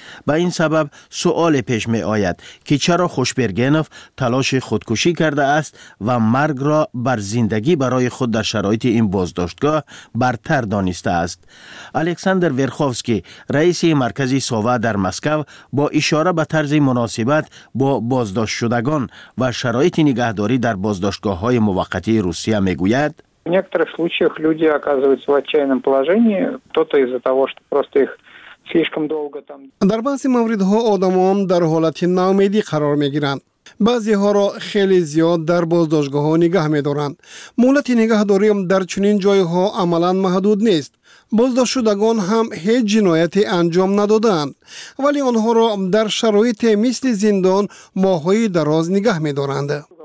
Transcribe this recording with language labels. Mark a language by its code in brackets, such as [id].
[fa] به این سبب سؤال پیش می آید که چرا خوشبرگنف تلاش خودکشی کرده است و مرگ را بر زندگی برای خود در شرایط این بازداشتگاه برتر دانسته است. الکساندر ورخوفسکی رئیس مرکز ساوا در مسکو با اشاره به طرز مناسبت با بازداشت شدگان و شرایط نگهداری در بازداشتگاه های موقتی روسیه می گوید [ru] в некоторых случаях люди оказываются в отчаянном положении, кто-то из-за того, что просто их слишком долго там [fa] در بعضی مواردها آدمان در حالت ناامیدی قرار می گیرند. بعضی ها را خیلی زیاد در بازداشتگاه ها نگه می دارند. مهلت نگهداری در چنین جای ها عملا محدود نیست. بازداشت شدگان هم هیچ جنایتی انجام ندادند، ولی آنها را در شرایط مثل زندان ماهای دراز نگه می دارند.